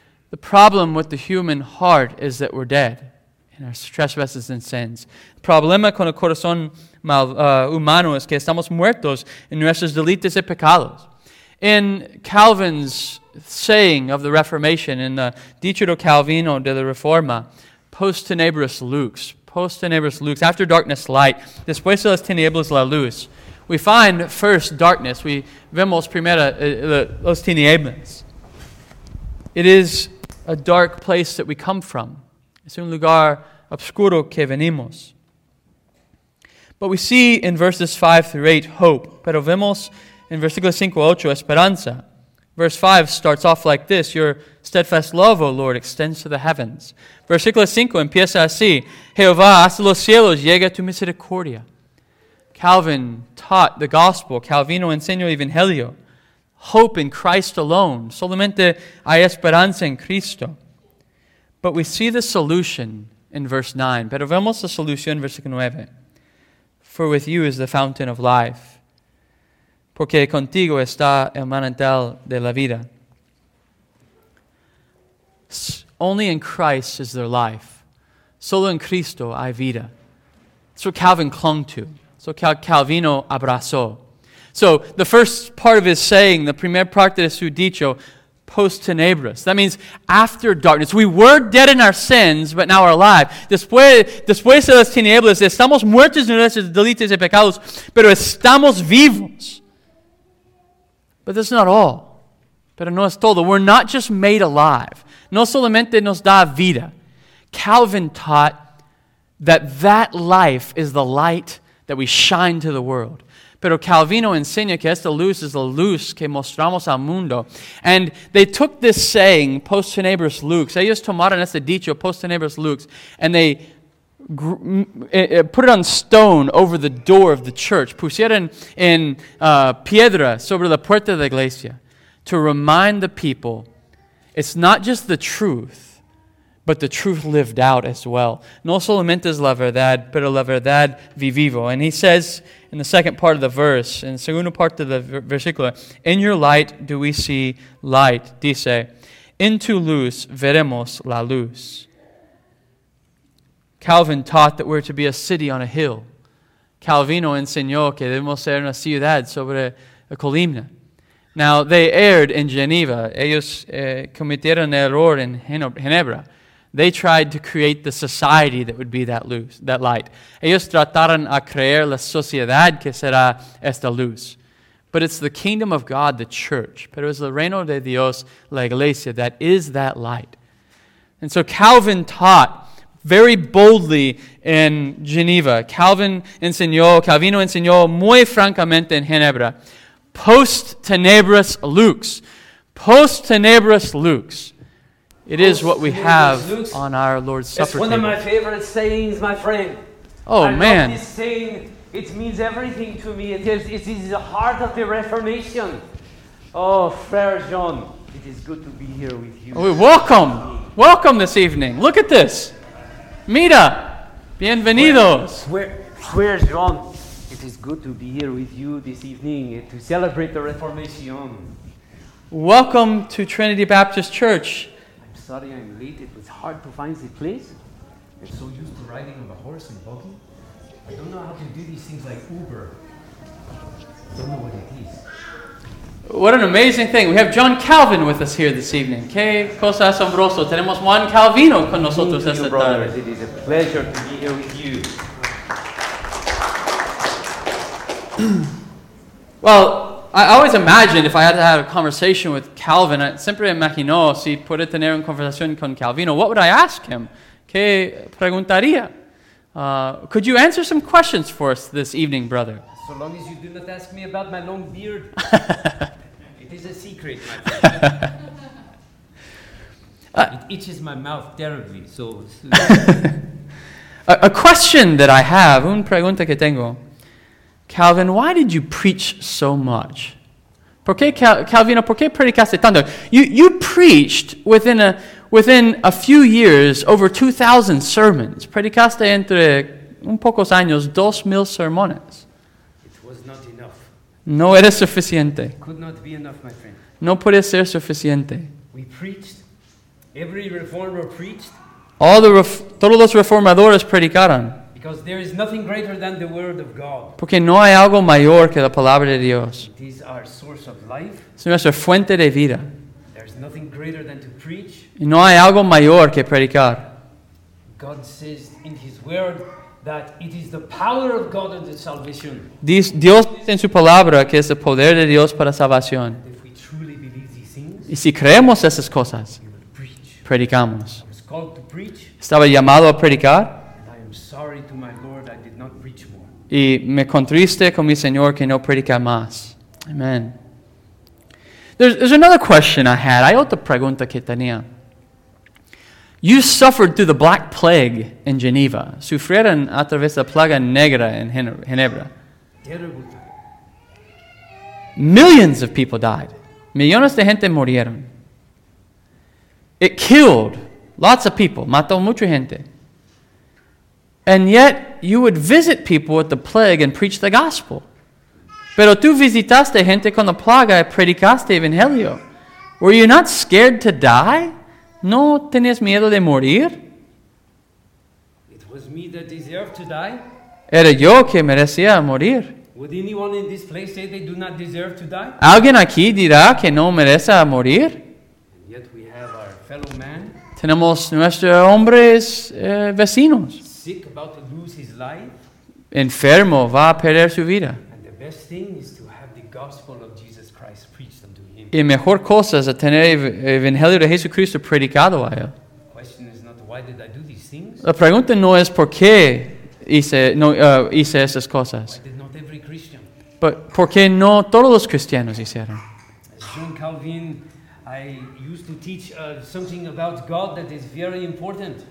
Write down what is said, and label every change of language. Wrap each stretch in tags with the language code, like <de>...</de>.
<en>The problem with the human heart is that we're dead in our trespasses and sins.</en> <es>El problema con el corazón humano es que estamos muertos en nuestros delitos y pecados.</es> <en>In Calvin's saying of the Reformation, in the</en> <es>Dicho Calvino de la Reforma,</es> <la>post tenebris lux,</la> <en>after darkness light,</en> <es>después de las tinieblas la luz,</es> <en>we find first darkness, we</en> <es>vemos primero los tinieblas.</es> <en>It is a dark place that we come from.</en> <es>Es un lugar obscuro que venimos.</es> <en>But we see in verses 5 through 8 hope,</en> <es>pero vemos</es> <en>in</en> <es>versículo 5 a 8, esperanza.</es> <en>Verse 5 starts off like this, your steadfast love, O Lord, extends to the heavens.</en> <es>Versículo 5 empieza así, Jehová hasta los cielos llega tu misericordia.</es> <en>Calvin taught the gospel, Calvino enseñó evangelio, hope in Christ alone, solamente hay esperanza en Cristo. But we see the solution in verse 9, pero vemos la solución en versículo 9. for with you is the fountain of life.</en> <es>Porque contigo está el manantial de la vida.</es> <en>Only in Christ is there life.</en> <es>Solo en Cristo hay vida.</es> <en>That's what Calvin clung to. So</en> <es>Calvino abrazó.</es> <en>So the first part of his saying, the</en> <es>primer parte de su dicho,</es> <la>post tenebris.</la> <en>That means after darkness. We were dead in our sins, but now we're alive.</en> <es>Después de las tinieblas, estamos muertos en nuestros delitos y pecados, pero estamos vivos.</es> <en>But that's not all.</en> <es>Pero no es todo.</es> <en>We're not just made alive.</en> <es>No solamente nos da vida.</es> <en>Calvin taught that life is the light that we shine to the world.</en> <es>Pero Calvino enseña que esta luz es la luz que mostramos al mundo.</es> <en>And they took this saying, post tenebris lux,</en> <es>ellos tomaron este dicho,</es> <la>post tenebris lux,</la> <en>and they put it on stone over the door of the church.</en> <es>Pusieron en piedra sobre la puerta de la iglesia</es> <en>to remind the people it's not just the truth, but the truth lived out as well.</en> <es>No solamente es la verdad, pero la verdad vivivo.</es> <en>And he says in the second part of the verse, in the</en> <es>segunda parte</es> <en>of the versículo, in your light do we see light, dice, into</en> <es>luz veremos la luz.</es> <en>Calvin taught that we're to be a city on a hill.</en> <es>Calvino enseñó que debemos ser una ciudad sobre la colina.</es> <en>Now, they erred in Geneva.</en> <es>Ellos cometieron error en Ginebra.</es> <en>They tried to create the society that would be that luz, that light.</en> <es>Ellos trataron a crear la sociedad que será esta luz.</es> <en>But it's the kingdom of God, the church.</en> <es>Pero es el reino de Dios, la iglesia,</es> <en>that is that light. And so Calvin taught very boldly in Geneva.</en> <es>Calvino enseñó muy francamente en Ginebra.</es> <la>Post tenebris lux. Post tenebris lux.</la> <en>It is what we have on our Lord's Supper table. It's one of my favorite sayings, my friend. Oh, man. I love this saying. It means everything to me. It is the heart of the Reformation. Oh, Frère Jean, it is good to be here with you. Oh, welcome. Welcome this evening. Look at this.</en> <es>Mira. Bienvenidos.</es> <en>Frère Jean, it is good to be here with you this evening to celebrate the Reformation. Welcome to Trinity Baptist Church. Sorry I'm late, it was hard to find the place. I'm so used to riding on the horse and buggy. I don't know how to do these things like Uber. I don't know what it is. What an amazing thing. We have John Calvin with us here this evening.</en> <es>Que cosa asombroso. Tenemos Juan Calvino con nosotros esta tarde.</es> <en>Brothers, it is a pleasure to be here with you. Well, I always imagined if I had to have a conversation with Calvin, I</en> <es>siempre imagino si pude tener una conversación con Calvino,</es> <en>what would I ask him?</en> <es>¿Qué preguntaría?</es> <en>Could you answer some questions for us this evening, brother? So long as you do not ask me about my long beard. It is a secret, my friend. It itches my mouth terribly, so... a question that I have,</en> <es>un pregunta que tengo...</es> <en>Calvin, why did you preach so much?</en> <es>¿Por qué, Calvino, por qué predicaste tanto?</es> <en>You preached within a few years over 2,000 sermons.</en> <es>Predicaste entre un pocos años 2,000 sermones.</es> <en>It was not enough.</en> <es>No era suficiente.</es> <en>It could not be enough, my friend.</en> <es>No puede ser suficiente.</es> <en>We preached. Every reformer preached.</en> <es>Todos los reformadores predicaron.</es> <en>Because there is nothing greater than the word of God.</en> <es>Porque no hay algo mayor que la palabra de Dios.</es> <en>It is our source of life.</en> <es>Es nuestra fuente de vida.</es> <en>There is nothing greater than to preach.</en> <es>Y no hay algo mayor que predicar.</es> <en>God says in his word that it is the power of God unto salvation.</en> <es>Dios dice en su palabra que es el poder de Dios para salvación.</es> <en>If we truly believe these things,</en> <es>y si creemos esas cosas,</es> <en>we will preach.</en> <es>Predicamos.</es> <en>I was called to preach.</en> <es>Estaba llamado a predicar.</es> <en>Sorry to my Lord, I did not preach more.</en> <es>Y me contriste con mi Señor que no predica más. Amen.</es> <en>There's another question I had.</en> <es>Hay otra pregunta que tenía.</es> <en>You suffered through the Black Plague in Geneva.</en> <es>Sufrieron a través de la plaga negra en Ginebra.</es> <en>Terrible. Millions of people died.</en> <es>Millones de gente murieron.</es> <en>It killed lots of people.</en> <es>Mató mucha gente.</es> <en>And yet you would visit people with the plague and preach the gospel.</en> <es>Pero tú visitaste gente con la plaga y predicaste evangelio.</es> <en>Were you not scared to die?</en> <es>¿No tenías miedo de morir?</es> <en>It was me that deserved to die.</en> <es>Era yo que merecía morir.</es> <en>Would anyone in this place say they do not deserve to die?</en> <es>¿Alguien aquí dirá que no merece morir?</es> <en>And yet we have our fellow man.</en> <es>Tenemos nuestros hombres vecinos.</es> <en>Sick, about to lose his life.</en> <es>Enfermo, va a perder su vida.</es> <en>And the best thing is to have the gospel of Jesus Christ preached unto him.</en> <es>Y mejor cosa es tener el evangelio de Jesucristo predicado a él.</es> <en>The question is not why did I do these things?</en> <es>La pregunta no es por qué hice esas cosas.</es> <en>Why did not every Christian?</en> <es>But por qué no todos los cristianos hicieron.</es> <en>As John Calvin, I used to teach something about God that is very important.</en>